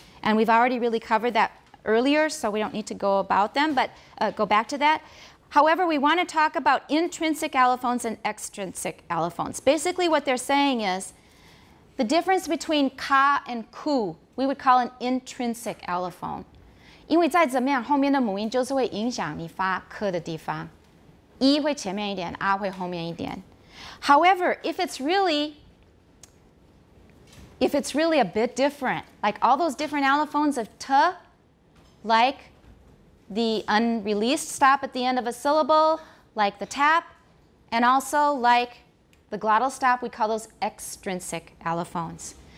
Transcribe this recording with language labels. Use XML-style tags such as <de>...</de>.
<en>And we've already really covered that earlier, so we don't need to go about them, but go back to that. However, we want to talk about intrinsic allophones and extrinsic allophones. Basically, what they're saying is the difference between ka and ku, we would call an intrinsic allophone.</en> <zh>因为再怎么样，后面的母音就是会影响你发 k 的地方。 E 会前面一点 ，R 会后面一点。</zh> <en>However, if it's really a bit different, like all those different allophones of t, like the unreleased stop at the end of a syllable, like the tap, and also like the glottal stop, we call those extrinsic allophones.</en>